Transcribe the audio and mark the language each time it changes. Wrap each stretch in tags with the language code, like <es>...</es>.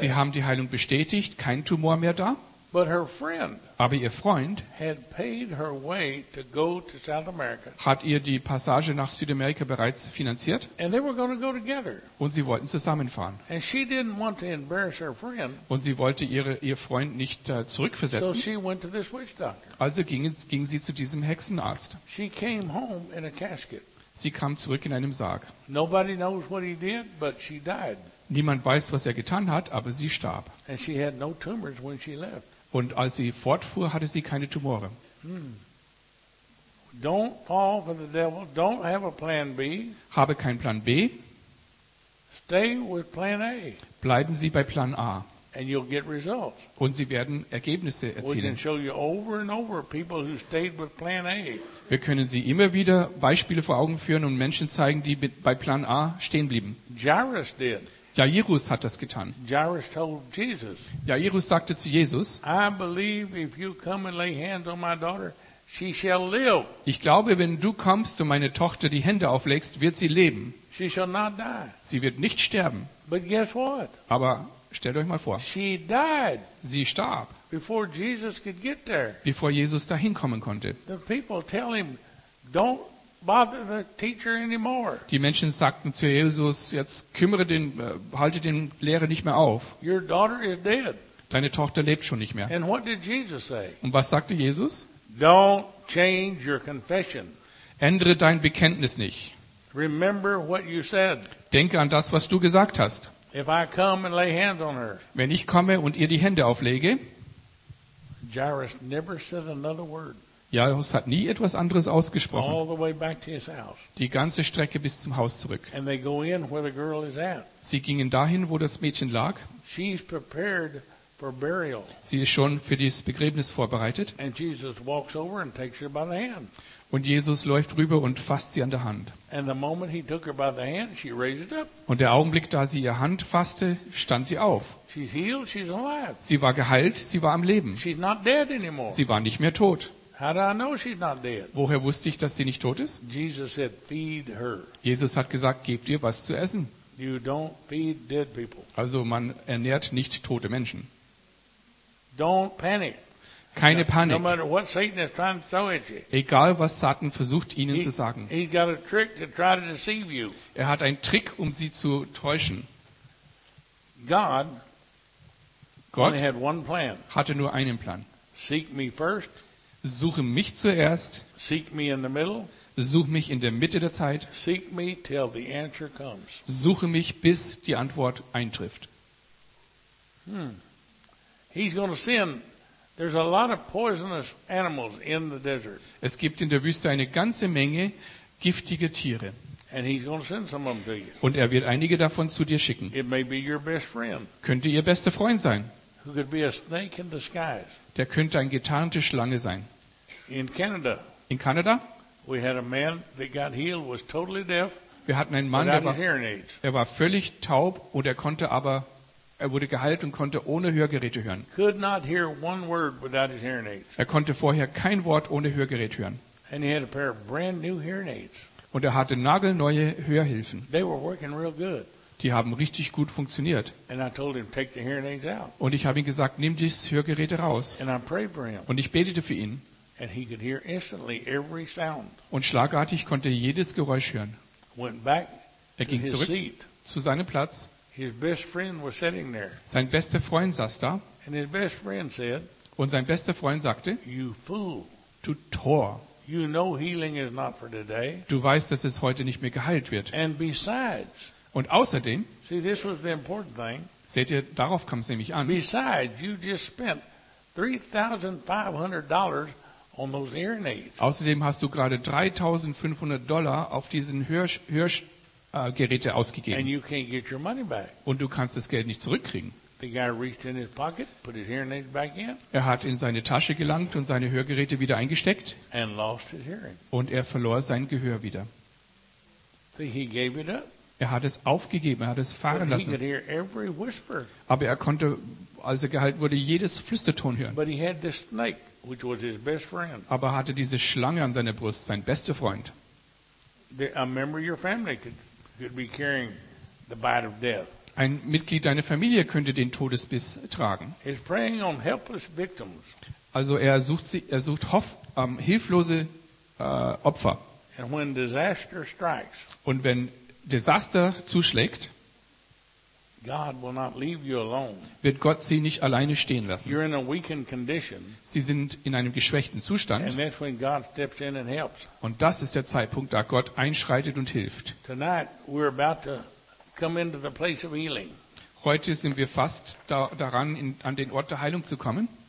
<de>Sie haben die Heilung bestätigt, kein Tumor mehr da.</de> <en>But her friend,</en> <de>aber ihr Freund,</de> <en>had paid her way to go to South America.</en> <de>Hat ihr die Passage nach Südamerika bereits finanziert.</de> <en>And they were going to go together.</en> <de>Und sie wollten zusammenfahren.</de> <en>And she didn't want to embarrass her friend.</en> <de>Und sie wollte ihr Freund nicht zurückversetzen.</de> <en>So she went to this witch doctor.</en> <de>Also ging sie zu diesem Hexenarzt.</de> <en>She came home in a casket.</en> <de>Sie kam zurück in einem Sarg.</de> <en>Nobody knows what he did, but she died.</en> <de>Niemand weiß, was er getan hat, aber sie starb.</de> <en>And she had no tumors when she left.</en> <de>Und als sie fortfuhr, hatte sie keine Tumore.</de> <en>Don't fall for the devil. Don't have a plan B.</en> <de>Habe keinen Plan B.</de> <en>Stay with plan A.</en> <de>Bleiben Sie bei Plan A.</de> <en>And you'll get results.</en> <de>Und Sie werden Ergebnisse erzielen.</de> <en>We can show you over and over people who stayed with plan A.</en> <de>Wir können Sie immer wieder Beispiele vor Augen führen und Menschen zeigen, die bei Plan A stehen blieben.</de> <en>Jairus did.</en> <de>Jairus hat das getan.</de> <en>Jairus told Jesus.</en> <de>Jairus sagte zu Jesus:</de> <en>I believe if you come and lay hands on my daughter, she shall live.</en> <de>Ich glaube, wenn du kommst und meine Tochter die Hände auflegst, wird sie leben.</de> <en>She shall not die.</en> <de>Sie wird nicht sterben.</de> <en>But guess what?</en> <de>Aber stellt euch mal vor.</de> <en>She died.</en> <de>Sie starb.</de> <en>Before Jesus could get there.</en> <de>Bevor Jesus dahin kommen konnte.</de> <en>The people tell him, don't bother the teacher anymore.</en> <de>Die Menschen sagten zu Jesus, jetzt kümmere halte den Lehrer nicht mehr auf.</de> <en>Your daughter is dead.</en> <de>deine Tochter lebt schon nicht mehr.</de> <en>And what did Jesus say?</en> <de>Und was sagte Jesus?</de> <en>Don't change your confession.</en> <de>Ändere dein Bekenntnis nicht.</de> <en>Remember what you said.</en> <de>Denke an das, was du gesagt hast.</de> <en>If I come and lay hands on her.</en> <de>Wenn ich komme und ihr die Hände auflege.</de> <en>Jairus never said another word.</en> <de>Jairus hat nie etwas anderes ausgesprochen.</de> <en>All the way back to his house.</en> <de>Die ganze Strecke bis zum Haus zurück.</de> <en>And they go in where the girl is at.</en> <de>Sie gingen dahin, wo das Mädchen lag.</de> <en>She's prepared for burial.</en> <de>Sie ist schon für das Begräbnis vorbereitet.</de> <en>And Jesus walks over and takes her by the hand.</en> <de>Und Jesus läuft rüber und fasst sie an der Hand.</de> <en>And the moment he took her by the hand, she raised up.</en> <de>Und der Augenblick, da sie ihre Hand fasste, stand sie auf.</de> <en>She's healed, she's alive.</en> <de>Sie war geheilt, sie war am Leben.</de> <en>She's not dead anymore.</en> <de>Sie war nicht mehr tot.</de> <en>How do I know she's not dead?</en> <de>Woher wusste ich, dass sie nicht tot ist?</de> <en>Jesus said, feed her.</en> <de>Jesus hat gesagt, gebt ihr was zu essen.</de> <en>You don't feed dead people.</en> <de>Also man ernährt nicht tote Menschen.</de> <en>Don't panic.</en> <de>Keine Panik.</de> <en>No matter what Satan is trying to throw at you.</en> <de>Egal was Satan versucht ihnen zu sagen.</de> <en>He's got a trick to try to deceive you.</en> <de>Er hat einen Trick, um sie zu täuschen.</de> <en>God only had one plan.</en> <de>Hatte nur einen Plan.</de> <en>Seek me first.</en> <de>Suche mich zuerst.</de> <en>Seek me in the middle.</en> <de>Suche mich in der Mitte der Zeit.</de> <en>Seek me till the answer comes.</en> <de>Suche mich, bis die Antwort eintrifft.</de> <en>He's going to send. There's a lot of poisonous animals in the desert.</en> <de>Es gibt in der Wüste eine ganze Menge giftige Tiere.</de> <en>And he's going to send some of them to you.</en> <de>Und er wird einige davon zu dir schicken.</de> <en>It may be your best friend.</en> <de>Könnte ihr bester Freund sein.</de> <en>Who could be a snake in disguise.</en> <de>Der könnte eine getarnte Schlange sein. In Kanada?</de> <en>We had a man that got healed, was totally deaf.</en> <de>Wir hatten einen Mann, der war völlig taub und er konnte aber Er wurde geheilt und konnte ohne Hörgeräte hören.</de> <en>Could not hear one word without his hearing aids.</en> <de>Er konnte vorher kein Wort ohne Hörgerät hören.</de> <en>And he had a pair of brand new hearing aids.</en> <de>Und er hatte nagelneue Hörhilfen.</de> <en>They were working real good.</en> <de>Die haben richtig gut funktioniert.</de> <en>And I told him, take the hearing aids out.</en> <de>Und ich habe ihm gesagt, nimm die Hörgeräte raus.</de> <en>And I prayed for him.</en> <de>Und ich betete für ihn.</de> <en>And he could hear instantly every sound.</en> <de>Und schlagartig konnte er jedes Geräusch hören.</de> <en>Went back</en> <de>er ging zurück</de> <en>to his seat.</en> <de>Zu seinem Platz.</de> <en>His best friend was sitting there.</en> <de>Sein bester Freund saß da.</de> <en>And his best friend said,</en> <de>und sein bester Freund sagte,</de> <en>you fool.</en> <de>Du Tor.</de> <en>You know healing is not for today.</en> <de>Du weißt, dass es heute nicht mehr geheilt wird.</de> <en>And besides,</en> <de>und außerdem,</de> <en>see, this was the important thing,</en> <de>seht ihr, darauf kam es nämlich an.</de> <en>Besides, you just spent $3,500 on those hearing aids.</en> <de>Außerdem hast du gerade $3,500 auf diesen Geräte ausgegeben.</de> <en>And you can't get your money back.</en> <de>Und du kannst das Geld nicht zurückkriegen.</de> <en>The guy reached in his pocket, put his hearing aids back in.</en> <de>Er hat in seine Tasche gelangt und seine Hörgeräte wieder eingesteckt.</de> <en>And lost his hearing.</en> <de>Und er verlor sein Gehör wieder.</de> <en>See, he gave it up.</en> <de>Er hat es aufgegeben, er hat es fahren lassen.</de> <en>He could hear every whisper.</en> <de>Aber er konnte, als er geheilt wurde, jedes Flüsterton hören.</de> <en>But he had this snake, which was his best friend.</en> <de>Aber er hatte diese Schlange an seiner Brust, sein bester Freund.</de> <en>A member of your family could be carrying the bite of death.</en> <de>Ein Mitglied deiner Familie könnte den Todesbiss tragen.</de> <en>He's preying on helpless victims.</en> <de>Also er sucht hilflose Opfer.</de> <en>And when disaster strikes,</en> <de>und wenn Desaster zuschlägt,</de> <en>God will not leave you alone.</en> <de>Wird Gott sie nicht alleine stehen lassen.</de> <en>You're in a weakened condition.</en> <de>Sie sind in einem geschwächten Zustand.</de> <en>And that's when God steps in and helps.</en> <de>Und das ist der Zeitpunkt, da Gott einschreitet und hilft.</de> <en>Tonight we're about to come into the place of healing.</en> <de>Heute sind wir fast daran, an den Ort der Heilung zu kommen.</de>